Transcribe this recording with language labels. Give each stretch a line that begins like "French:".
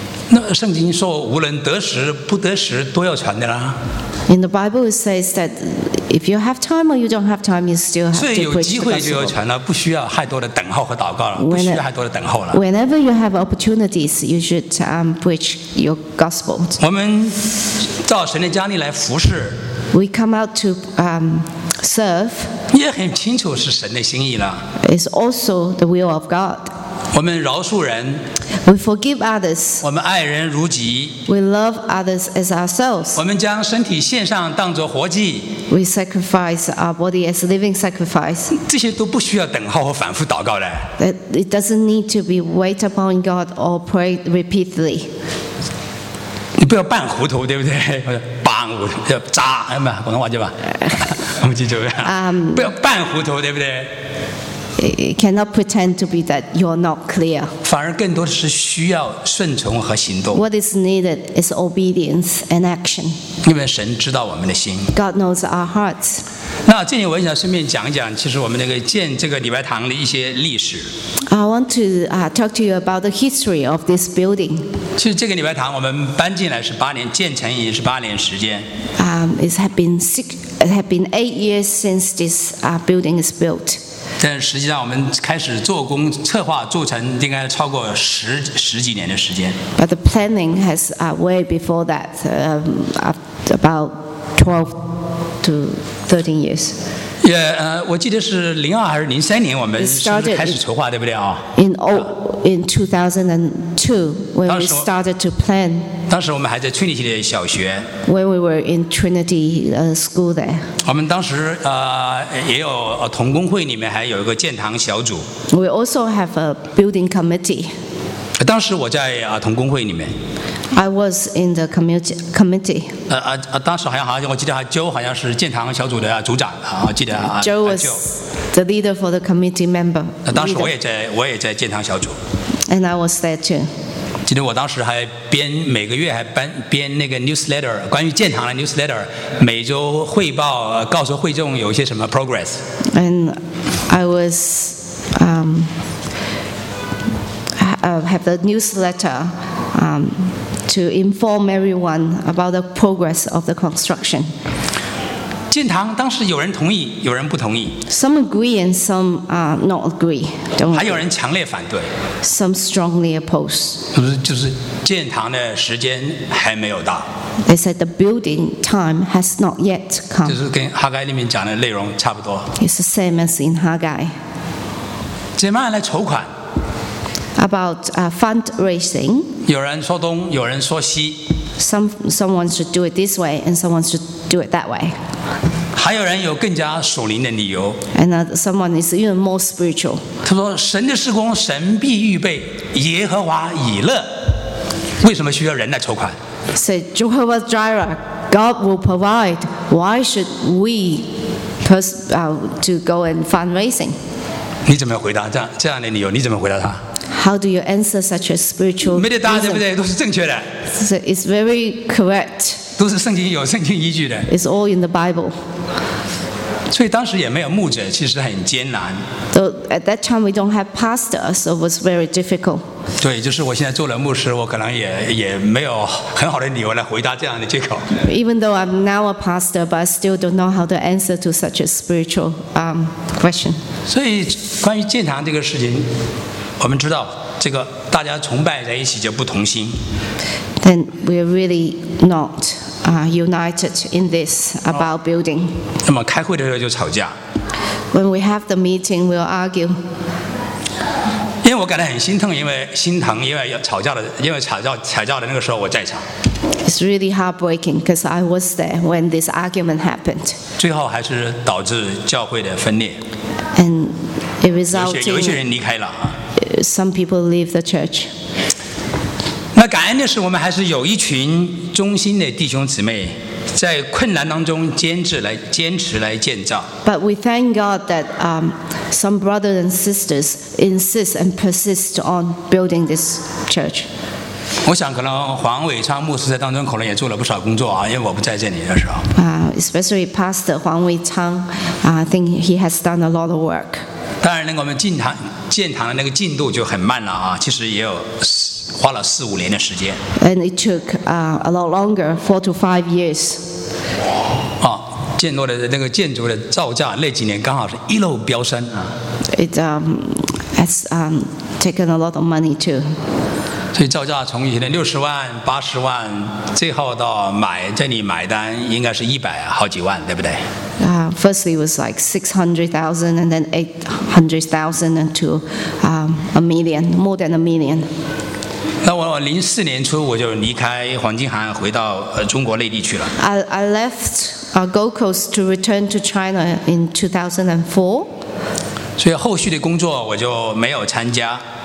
Chinese: 那圣经说无论得时不得时都要传的啦。
English: In the Bible, it says that. If you have time or you don't have time, you still have to preach the gospel.
Chinese: 所以有机会就要传了，不需要太多的等候和祷告了，不需要太多的等候了。
English: Whenever you have opportunities, you should preach your gospel.
Chinese: 我们到神的家里来服事。
English: We come out to serve.
Chinese: 也很清楚是神的心意了。
English: It's also the will of God.
Chinese: 我们饶恕人。
English: We forgive others.
Chinese: 我们爱人如己。
English: We love others as ourselves.
Chinese: 我们将身体献上，当作活祭。
English: We sacrifice our body as a living sacrifice.
Chinese: 这些都不需要等候和反复祷告的。
English: It doesn't need to be wait upon God or pray repeatedly.
Chinese: 你不要扮糊涂，对不对？扮糊涂，渣，哎嘛，广东话对吧？我们记住了。不要扮糊涂，对不对？
English: It cannot pretend to be that you're not clear.
Chinese: 反而更多的是需要顺从和行动。
English: What is needed is obedience and action.
Chinese: 因为神知道我们的心。
English: God knows our hearts.
Chinese: 那这里我想顺便讲一讲，其实我们那个建这个礼拜堂的一些历史。
English: I want to talk to you about the history of this building.
Chinese: 其实这个礼拜堂我们搬进来是八年，建成也是八年时间。
English: It has been eight years since this building is built.
Chinese: 但实际上，我们开始做工、策划、做成，应该超过十几年的时间。
English: But the planning has way before that, about 12 to 13 years.
Chinese: Yeah, 我记得是02还是03年，我们是开始筹划，对不对啊
English: ？In 2002, when we started to plan.
Chinese: 当时我们还在 Trinity 的小学。
English: When we were in Trinity school there.
Chinese: 我们当时也有同工会里面还有一个建堂小组。
English: We also have a building committee.
Chinese: 当时我在同工会里面。
English: I was in the committee.
Chinese: 当时好像我记得Joe好像是建堂小组的组长啊，记得啊。
English: Joe was the leader for the committee member.
Chinese: 当时我也在建堂小组。
English: And I was there too.
Chinese: 记得我当时还每个月还编那个 newsletter 关于建堂的 newsletter， 每周汇报告诉会众有些什么 progress.
English: And I was have the newsletter. to inform everyone about the progress of the construction.
Chinese: 建堂当时有人同意，有人不同意。
English: Some agree and some are not agree.
Chinese: 还有人强烈反对。
English: Some strongly oppose.
Chinese: 就是建堂的时间还没有到。
English: They said the building time has not yet come.
Chinese: 就是跟哈该里面讲的内容差不多。
English: It's the same as in Haggai.
Chinese: 怎么样来筹款？
English: About fundraising.
Chinese: 有人说东，有人说西。
English: Someone should do it this way, and someone should do it that way.
Chinese: 还有人有更加属灵的理由。
English: And someone is even more spiritual.
Chinese: 他说：“神的事工，神必预备，耶和华已乐。” 为什么需要人来筹款
English: ？Say Jehovah Jireh, God will provide. Why should we to go and fundraising?
Chinese: 你怎么回答这样的理由？你怎么回答他？
English: How do you answer such a spiritual reason?
Chinese: 没得答，对不对？都是正确的。
English: So it's very correct.
Chinese: 都是圣经有圣经依据的。
English: It's all in the Bible.
Chinese: 所以当时也没有牧者，其实很艰难。
English: So at that time we don't have pastor, so it was very difficult.
Chinese: 对，就是我现在做了牧师，我可能也没有很好的理由来回答这样的借口。
English: Even though I'm now a pastor, but I still don't know how to answer to such a spiritual question.
Chinese: 所以关于建堂这个事情。我们知道，这个大家崇拜在一起就不同心。
English: Then we're really not united in this about building.
Chinese: 那么开会的时候就吵架。
English: When we have the meeting, we'll argue.
Chinese: 因为我感到很心疼，因为要吵架的，因为吵架的那个时候我在场。
English: It's really heartbreaking because I was there when this argument happened.
Chinese: 最后还是导致教会的分裂。
English: And it resulted.
Chinese: 有一些人离开了。
English: Some people leave the church.
Chinese: 那感恩的是，我们还是有一群忠心的弟兄姊妹，在困难当中坚持来建造。
English: But we thank God that some brothers and sisters insist and persist on building this church.
Chinese: 我想可能黄伟昌牧师在当中可能也做了不少工作啊，因为我不在这里的时候。
English: Especially Pastor Huang Weichang, I think he has done a lot of work.
Chinese: 当然，那我们建堂的那个进度就很慢了啊，其实也有花了四五年的时间。
English: And it took a lot longer, 4 to 5 years.
Chinese: 哦，建筑的那个建筑的造价那几年刚好是一路飙升啊。
English: It has taken a lot of money too.
Chinese: 所以造价从以前的60万、80万，最后到买这里买单应该是100好几万，对不对？
English: Firstly, it was like 600,000, and then 800,000, and to a million, more than a million.
Chinese: 那我04年初我就离开黄金海岸，回到中国内地去了。
English: I left Gold Coast to return to China in 2004.
Chinese: 所以后续的工作我就没有参加。